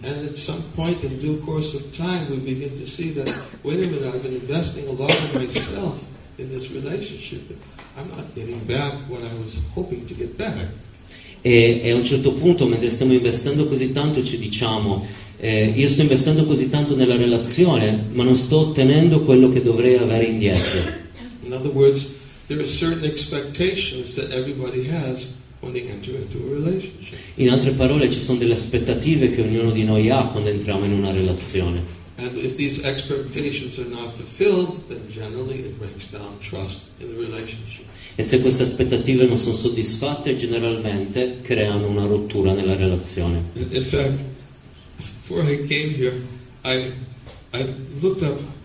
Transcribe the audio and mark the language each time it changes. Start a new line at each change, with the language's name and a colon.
English: And at some point in due course of time we begin to see that wait a minute, I've been investing a lot of myself in this relationship. I'm not getting back what I was hoping to get back.
Italian: E a un certo punto, mentre stiamo investendo così tanto, ci diciamo io sto investendo così tanto nella relazione, ma non sto ottenendo quello che dovrei avere indietro.
English: In other words, there are certain expectations that everybody has when they enter into a relationship.
Italian: In altre parole, ci sono delle aspettative che ognuno di noi ha quando entriamo in una relazione.
English: And if these expectations are not fulfilled, then generally it breaks down trust in the relationship.
Italian: E se queste aspettative non sono soddisfatte, generalmente creano una rottura nella relazione.
English: In fact, before I came here, I looked up.